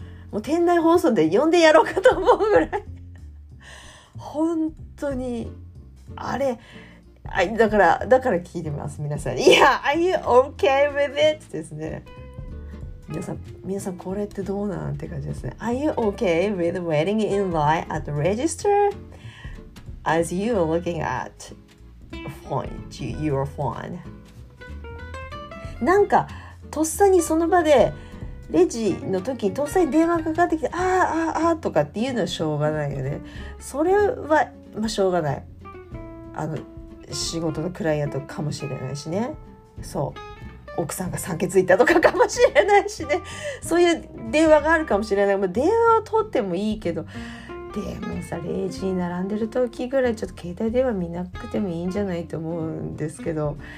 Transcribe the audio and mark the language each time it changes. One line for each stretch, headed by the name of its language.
Japanese: もう店内放送で呼んでやろうかと思うぐらい本当にあれ。だから聞いてます、皆さん。
English: Yeah, are you okay with it?
Japanese: ですね。皆さん、これってどうなんて感じですね。
English: Are you okay with waiting in line at the register as you are looking at your phone?
Japanese: なんか、とっさにその場で、レジの時にとっさに電話かかってきて、あとかっていうのはしょうがないよね。それは、まあ、しょうがない。仕事のクライアントかもしれないしね、そう、奥さんが産気づいたとかかもしれないしね、そういう電話があるかもしれない、まあ、電話を取ってもいいけど、でもさ、レジに並んでる時ぐらいちょっと携帯電話見なくてもいいんじゃないと思うんですけど。